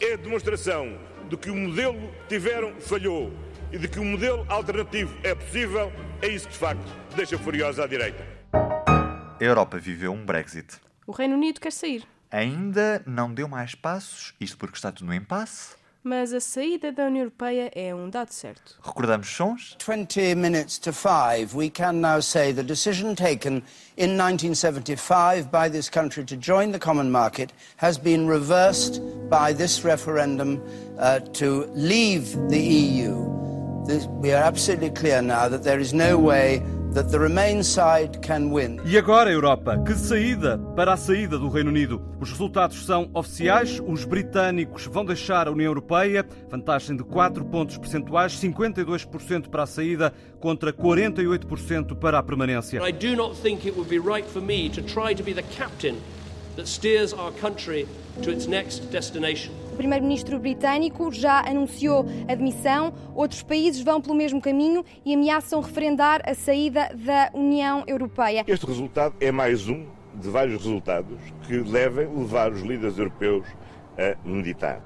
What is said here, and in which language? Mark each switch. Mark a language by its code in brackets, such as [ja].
[pt] É a demonstração de que o modelo que tiveram falhou e de que o modelo alternativo é possível, é isso que de facto deixa furiosa a direita. A Europa viveu um Brexit. O Reino Unido quer sair. Ainda não deu mais passos, isto porque está tudo no impasse. Mas a saída da União Europeia é um dado certo. Recordamos sons? [en] 20 minutes to 5, we can now say the decision taken in 1975 by this country to join the common market has been reversed by this referendum to leave the EU. This, we are absolutely clear now that there is no way that the Remain side can win. [pt] E agora, Europa, que saída para a saída do Reino Unido? Os resultados são oficiais, os britânicos vão deixar a União Europeia, vantagem de 4 pontos percentuais, 52% para a saída contra 48% para a permanência. [en] I do not think it would be right for me to try to be the captain that steers our country to its next destination. [pt] O primeiro-ministro britânico já anunciou a demissão. Outros países vão pelo mesmo caminho e ameaçam referendar a saída da União Europeia. Este resultado é mais um de vários resultados que devem levar os líderes europeus a meditar.